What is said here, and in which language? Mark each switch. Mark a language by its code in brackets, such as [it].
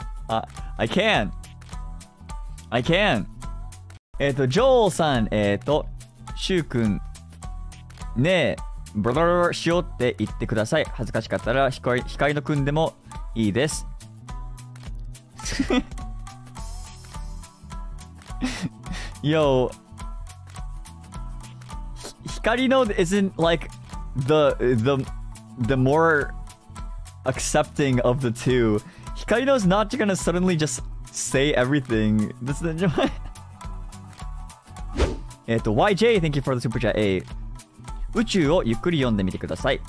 [en] I can't. Shuu-kun. [ja] ね、ブラブラしようって言ってください。恥ずかしかったら光の君でもいいです。 [en] Yo, Hikarino isn't like the more accepting of the two. Hikarino's not gonna suddenly just say everything. This is YJ, thank you for the super chat. [ja] A, 宇宙をゆっくり読んでみてください。